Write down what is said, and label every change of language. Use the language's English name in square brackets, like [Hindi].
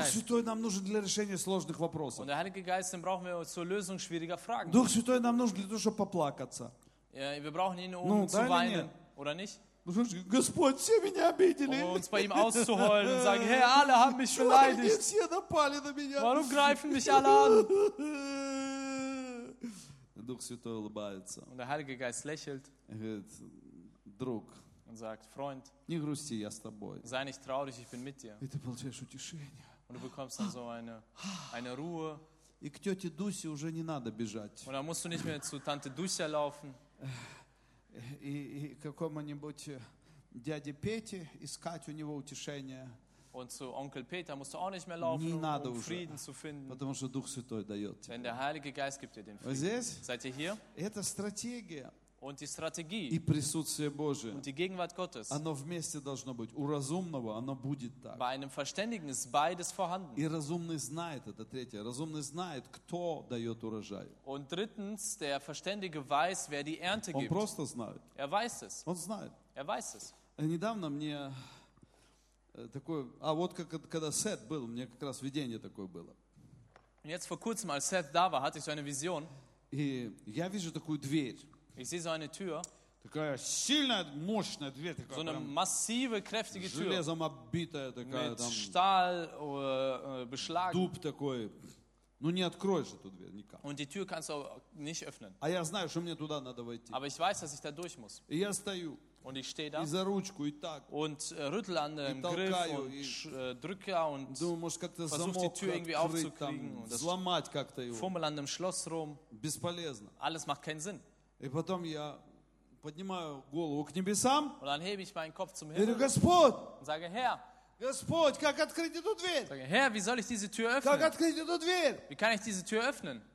[Russian] Дух Святой нам нужен для решения сложных вопросов. [German] Und der Heilige Geist, den brauchen wir zur Lösung schwieriger Fragen. [Russian] Дух Святой нам нужен для того, чтобы поплакаться. [German] Yeah, wir brauchen ihn, um zu weinen. Oder nicht? [Russian] Господь, все меня обидели. [German] Und uns bei ihm auszuheulen und sagen, hey, alle haben mich beleidigt. [Russian] Все напали на меня. [German] Warum greifen mich alle an? [Russian] Дух Святой улыбается. [German] Und der Heilige Geist lächelt. [Russian] Говорит, друг. [German] Und sagt, Freund. [Russian] Не грусти, я с тобой. [German] Sei nicht traurig, ich bin mit dir. [Russian] И ты получаешь утешение. [German] Und du bekommst dann so eine Ruhe. [Russian] И к тете Дусе уже не надо бежать. [German] Und dann musst du nicht mehr zu Tante Dusia laufen. [Russian] И какому-нибудь дяде Пете искать у него утешение. [German] Und zu Onkel Peter musst du auch nicht mehr laufen, um Frieden zu finden. [Russian] Потому что Дух Святой дает. [German] Denn der Heilige Geist gibt dir den Frieden. [Russian] Здесь? [German] Seid ihr hier? [Russian] Это стратегия. [German] Und die Strategie. [Russian] И присутствие Божие. [German] Und die Gegenwart Gottes. [Russian] Оно вместе должно быть. У разумного оно будет так. [German] Bei einem Verständigen ist beides vorhanden. [Russian] И разумный знает, это третье. Разумный знает, кто дает урожай. [German] Und drittens, der Verständige weiß, wer die Ernte gibt. [Russian] Он просто знает. [German] Er weiß es. [Russian] Он знает. [German] Er weiß es. [Russian] Недавно мне такое... А вот как, когда Сет был, мне как раз видение такое было. [German] Und jetzt vor kurzem, als Seth da war, hatte ich so eine Vision. [Russian] И я вижу такую дверь. [German] Ich sehe so eine Tür. [Russian] Такая сильная, мощная дверь, такая, [German] so eine massive, kräftige Tür. [Russian] Железом обитая, такая, [German] mit [Russian] там, [German] Stahl beschlagen. [Russian] Дуб такой. Ну не откроешь эту дверь никак. [German] Und die Tür kannst du nicht öffnen. [Russian] А я знаю, что мне туда надо войти. [German] Aber ich weiß, dass ich da durch muss. [Russian] И я стою. [German] Und ich stehe da. [Russian] И за ручку, и так. [German] Und rüttel an dem Griff und drücke und versuche die Tür irgendwie aufzukriegen. Und das fummel an dem Schloss rum. [Russian] Бесполезно. [German] Alles macht keinen Sinn. [Russian] И потом я поднимаю голову к небесам. [German] Und dann hebe ich meinen Kopf zum Himmel. [Russian] И говорю, Господь! [German] Sage, Herr! [Russian] Господь, как открыть эту дверь? [German] Sage, Herr, wie soll ich diese Tür öffnen? [Russian] Как открыть эту дверь? [German] Wie kann ich diese Tür öffnen?